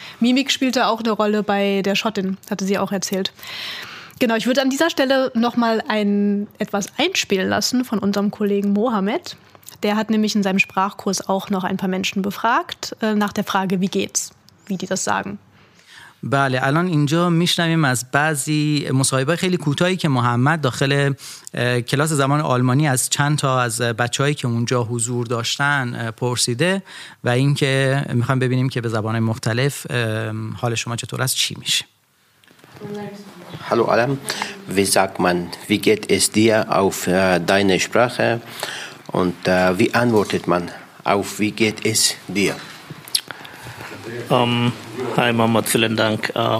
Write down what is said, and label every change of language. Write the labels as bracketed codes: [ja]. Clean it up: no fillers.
[de] Mimik spielte auch eine Rolle bei der Schottin, hatte sie auch erzählt. Genau, ich würde an dieser Stelle nochmal etwas einspielen lassen von unserem Kollegen Mohammed. Der hat nämlich in seinem Sprachkurs auch noch ein paar Menschen befragt, nach der Frage, wie geht's, wie die das sagen. [fa] بله الان اینجا میشنویم از بعضی مصاحبه خیلی کوتاهی که محمد داخل کلاس زبان آلمانی از چند تا از بچه‌هایی که اونجا حضور داشتن پرسیده و اینکه میخوایم ببینیم که به زبان مختلف حال شما چطور است چی میشه. [de] Hallo Alan, wie sagt man, wie geht es dir auf deine Sprache und wie antwortet man auf wie geht es dir? Hi Mama, vielen Dank.